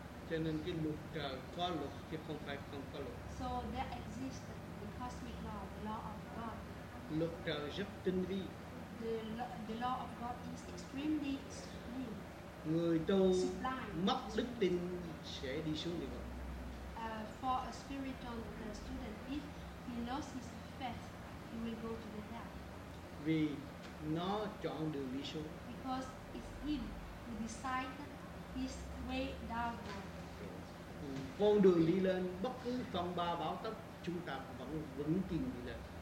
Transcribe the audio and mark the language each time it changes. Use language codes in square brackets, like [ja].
[vi] Cho nên cái luật trời có luật chứ không phải không có luật. [en] So there exists the cosmic law, the law of God. [vi] Luật trời rất tinh vi. [en] The law of God is extremely extreme. [vi] Người tu [en] sublime. [vi] Mất đức tin sẽ đi xuống địa ngục. [en] For a spiritual student, if he lost his faith, he will go to the hell. [vi] Vì nó chọn đường đi xuống. [en] Because it's him who decided his way downward. [vi] Con đường đi lên bất cứ phong ba bão táp chúng ta vẫn vững tin đi lên.